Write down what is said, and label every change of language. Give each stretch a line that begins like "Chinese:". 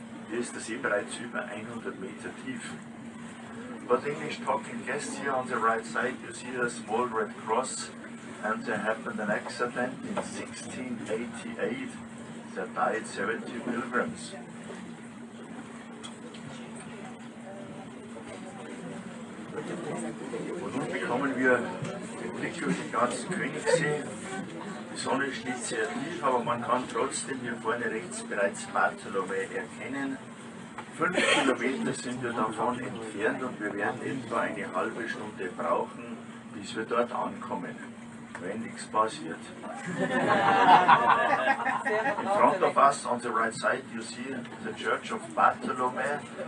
German: Hier ist der See bereits über 100 Meter tief.
English: But English talking guests here on the right side, you see the small red cross, and there happened an accident in 1688, there died 70 pilgrims.
German: Und nun bekommen wir den Blick über den ganzen Königssee. Die Sonne steht sehr tief, aber man kann trotzdem hier vorne rechts bereits Bartholomä erkennen. 5 Kilometer sind wir davon entfernt und wir werden etwa eine halbe Stunde brauchen, bis wir dort ankommen, wenn nichts passiert.
English: In front of us, on the right side, you see the Church of Bartholomew.